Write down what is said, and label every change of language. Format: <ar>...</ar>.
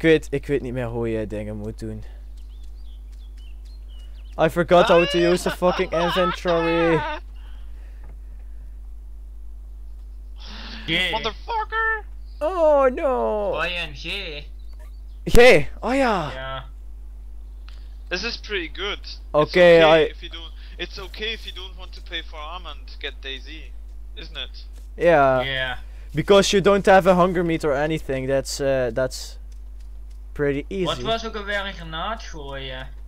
<nl>Ik weet niet meer hoe je dingen moet doen.</nl> <en>I forgot how to use the fucking inventory. Yeah. Motherfucker! Oh no! ING! Yeah! Oh yeah! This is pretty good. Okay, it's okay if you don't want to pay for ARMA and get DayZ, isn't it? Yeah. Yeah. Because you don't have a hunger meter or anything, that's pretty easy.</en> <nl>What was ook alweer een granaat gooien?</nl>